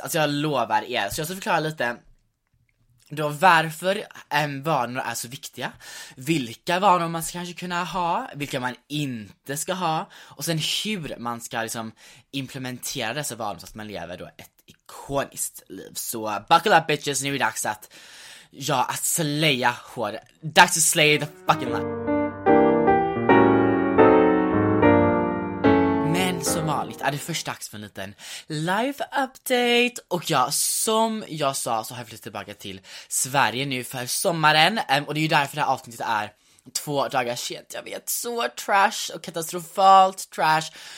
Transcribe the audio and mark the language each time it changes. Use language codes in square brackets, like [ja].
[sv] Alltså jag lovar er. Så jag ska förklara lite då varför vanor är så viktiga, vilka vanor man ska kanske kunna ha, vilka man inte ska ha, och sen hur man ska liksom implementera dessa vanor så att man lever då ett ikoniskt liv. Så [en] buckle up bitches, [sv] nu är det dags att, ja, att slaya hår. [en] Dags to slay the fucking life. [sv] Som vanligt är det först dags för en liten live update. Och ja, som jag sa, så har jag flyttat tillbaka till Sverige nu för sommaren. Och det är ju därför det här avsnittet är 2 dagar sent. Jag vet, så trash och katastrofalt trash.